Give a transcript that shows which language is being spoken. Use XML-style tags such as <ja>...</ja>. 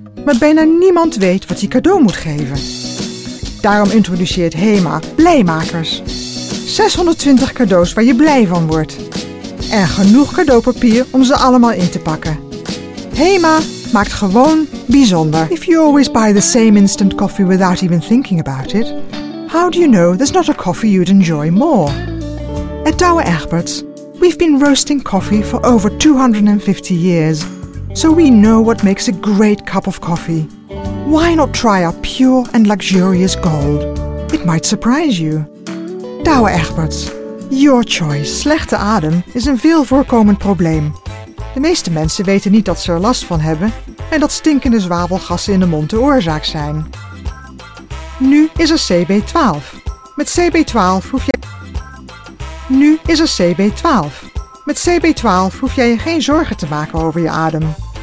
<nl>Maar bijna niemand weet wat hij cadeau moet geven. Daarom introduceert HEMA Blijmakers. 620 cadeaus waar je blij van wordt. En genoeg cadeaupapier om ze allemaal in te pakken. HEMA maakt gewoon bijzonder.</nl> <en>If you always buy the same instant coffee without even thinking about it, how do you know there's not a coffee you'd enjoy more? At Douwe Egberts, we've been roasting coffee for over 250 years, so we know what makes a great cup of coffee. Why not try our pure and luxurious gold? It might surprise you. Douwe Egberts, your choice.</en> <nl>Slechte adem is een veel voorkomend probleem. De meeste mensen weten niet dat ze er last van hebben en dat stinkende zwavelgassen in de mond de oorzaak zijn. Nu is er CB12. Met CB12 hoef je... Nu is er CB12. Met CB12 hoef jij je geen zorgen te maken over je adem.</nl>